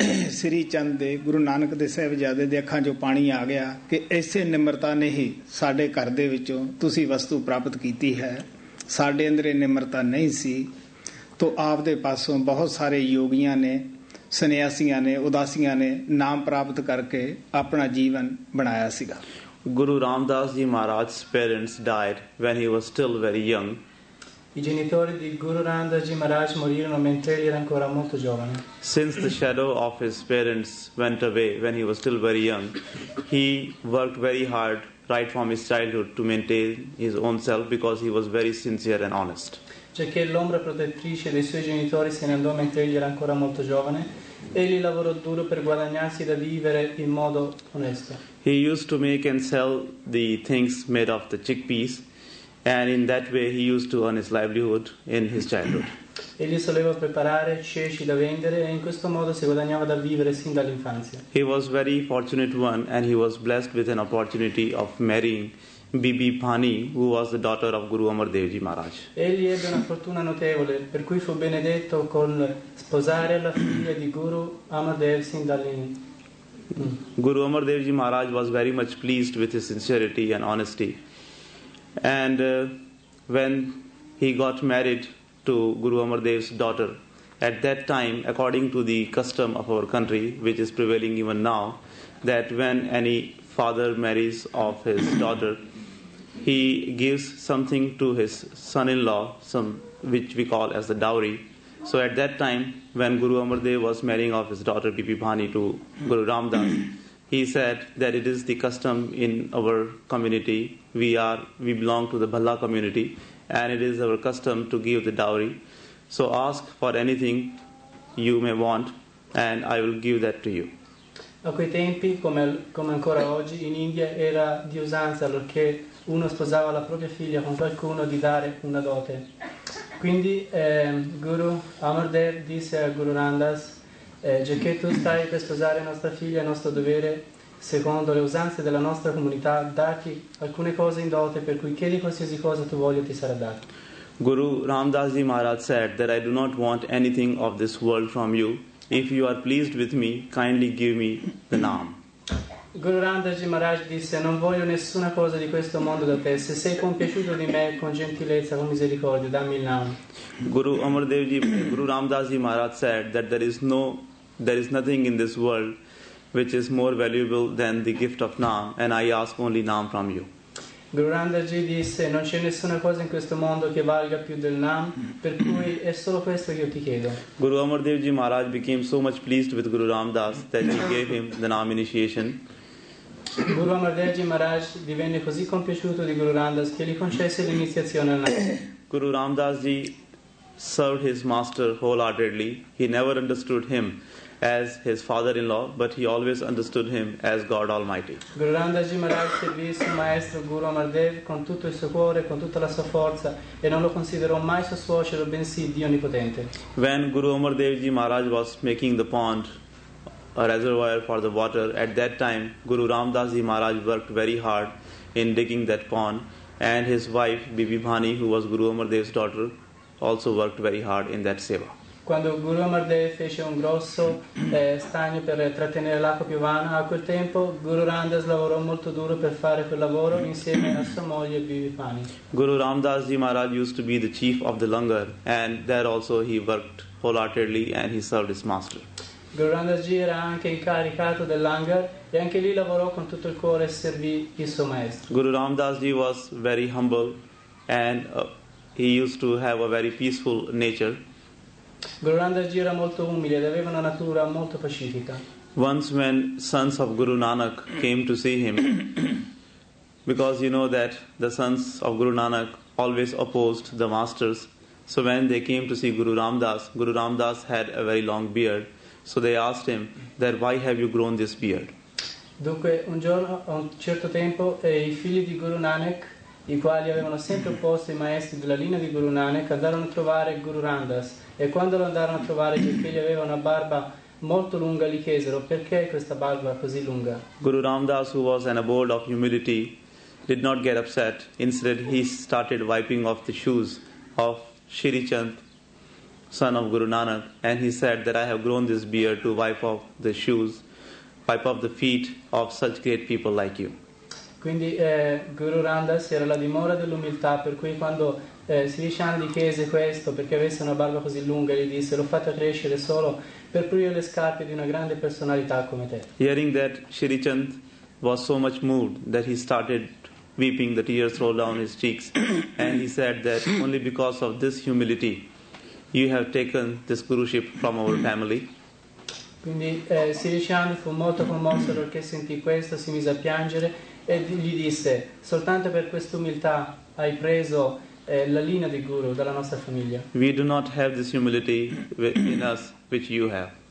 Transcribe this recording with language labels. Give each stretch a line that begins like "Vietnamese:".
Punjabi: ਸ੍ਰੀ ਚੰਦ ਦੇ ਗੁਰੂ ਨਾਨਕ ਦੇ ਸਾਹਿਬਜ਼ਾਦੇ ਦੇ ਅੱਖਾਂ 'ਚੋਂ ਪਾਣੀ ਆ ਗਿਆ ਕਿ ਇਸੇ ਨਿਮਰਤਾ ਨੇ ਹੀ ਸਾਡੇ ਘਰ ਦੇ ਵਿੱਚੋਂ ਤੁਸੀਂ ਵਸਤੂ ਪ੍ਰਾਪਤ ਕੀਤੀ ਹੈ, ਸਾਡੇ ਅੰਦਰ ਇਹ ਨਿਮਰਤਾ ਨਹੀਂ ਸੀ। ਤੋ ਆਪਦੇ ਪਾਸੋਂ ਬਹੁਤ ਸਾਰੇ ਯੋਗੀਆਂ ਨੇ, ਸੰਨਿਆਸੀਆਂ ਨੇ, ਉਦਾਸੀਆਂ ਨੇ ਨਾਮ ਪ੍ਰਾਪਤ ਕਰਕੇ ਆਪਣਾ ਜੀਵਨ ਬਣਾਇਆ ਸੀਗਾ।
English: Guru Ramdas ji Maharaj parents died when he was still very young.
Italian: I genitori di Guru Ramdas ji Maharaj morirono mentre egli era ancora molto giovane.
English: Since the shadow of his parents went away when he was still very young, he worked very hard right from his childhood to maintain his own self because he was very sincere and honest.
Italian: Cioè l'ombra protettrice dei suoi genitori se ne andò mentre egli era ancora molto giovane. Egli lavorò duro per guadagnarsi da vivere in modo onesto.
English: He used to make and sell the things made of the chickpeas. And in that way he used to earn his livelihood in his childhood.
Italian: Egli soleva preparare ceci da vendere e in questo modo si guadagnava da vivere sin dall'infanzia.
English: He was very fortunate one and he was blessed with an opportunity of marrying Bibi Pani, who was the daughter of Guru Amar Dev Ji Maharaj.
Italian: Egli ebbe una fortuna notevole per cui fu benedetto con sposare la figlia di Guru Amar Dev sin dall'infanzia.
English: Guru Amar Dev Ji Maharaj was very much pleased with his sincerity and honesty. And when he got married to Guru Amardev's daughter, at that time, according to the custom of our country, which is prevailing even now, that when any father marries of his daughter, he gives something to his son-in-law, some which we call as the dowry. So at that time, when Guru Amar Dev was marrying off his daughter Bibi Bhani to Guru Ram Das, he said that it is the custom in our community. We belong to the Bhalla community, and it is our custom to give the dowry. So ask for anything you may want, and I will give that to you.
Italian: A quei tempi, come ancora oggi, in India era di usanza, allorché uno sposava la propria figlia con qualcuno, di dare una dote. Quindi Guru Amar Dev disse a Guru Ram Das, già che tu stai per sposare nostra figlia, è nostro dovere, secondo le usanze della nostra comunità, darti alcune cose in dote, per cui chiedi qualsiasi cosa tu voglia ti sarà data.
English: Guru Ram Das Ji Maharaj said that I do not want anything of this world from you. If you are pleased with me, kindly give me the naam.
Italian: Guru Ram Das Ji Maharaj disse, non voglio nessuna cosa di questo mondo da te. Se sei compiaciuto di me, con gentilezza, con misericordia, dammi il naam.
English: Guru Amar Dev Ji, Guru Ram Das Ji Maharaj said that there is nothing in this world which is more valuable than the gift of naam, and I ask only naam from you.
Italian: Guru Ram Das Ji disse, non c'è nessuna cosa in questo mondo che valga più del naam, per cui è solo questo che io ti chiedo.
English: Guru Amar Dev Ji Maharaj became so much pleased with Guru Ram Das that he gave him the naam initiation.
Italian: Guru Amar Dev Ji Maharaj divenne così compiaciuto di Guru Ram Das che gli concesse l'iniziazione al naam.
English: Guru Ram Das Ji served his master wholeheartedly. He never understood him as his father-in-law, but he always understood him as God Almighty.
Italian: Guru Ram Das Ji Maharaj servì suo maestro Guru Amar Dev con tutto il suo cuore, con tutta la sua forza, e non lo considerò mai suo suocero, bensì Dio Onnipotente.
English: When Guru Amar Dev Ji Maharaj was making the pond, a reservoir for the water, at that time Guru Ram Das Ji Maharaj worked very hard in digging that pond, and his wife Bibi Bhani, who was Guru Amar Dev's daughter, also worked very hard in that seva.
Italian: Quando Guru Amar Dev fece un grosso stagno per trattenere l'acqua piovana, a quel tempo Guru Ram Das lavorò molto duro per fare quel lavoro insieme a sua moglie Bibi Bhani.
English: Guru Ram Das Ji Maharaj used to be the chief of the langar, and there also he worked wholeheartedly and he served his master.
Italian: Guru Ram Das Ji era anche incaricato del langar e anche lì lavorò con tutto il cuore e servì il suo maestro.
English: Guru Ram Das Ji was very humble and he used to have a very peaceful nature.
Italian: Guru Ram Das Ji era molto umile ed aveva una natura molto pacifica.
English: Once when sons of Guru Nanak came to see him, because you know that the sons of Guru Nanak always opposed the masters, so when they came to see Guru Ram Das, Guru Ram Das had a very long beard. So they asked him that why have you grown this beard?
Italian: Dunque un giorno, a un certo tempo, i figli di Guru Nanak, i quali avevano sempre opposto i maestri della linea di Guru Nanak, andarono a trovare Guru Ram Das. E quando lo andarono a trovare, i figli avevano una barba molto lunga, gli chiesero perché questa barba così lunga.
English: Guru Ram Das, who was an abode of humility, did not get upset. Instead, he started wiping off the shoes of Shri Chand, son of Guru Nanak, and he said that I have grown this beard to wipe off the shoes, wipe off the feet of such great people like you.
Italian: Quindi Guru Ram Das era la dimora dell'umiltà, per cui quando Sri Chand gli chiese questo perché avesse una barba così lunga, gli disse l'ho fatta crescere solo per pulire le scarpe di una grande personalità come te.
English: Hearing that, Shri Chand was so much moved that he started weeping, the tears rolled down his cheeks, and he said that only because of this humility you have taken this guruship from our family.
Italian: Quindi Sri Chand fu molto commosso perché sentì questo, si mise a piangere e gli disse soltanto per questa umiltà hai preso la linea di guru dalla nostra famiglia.
English: We do not have this humility in us which you have.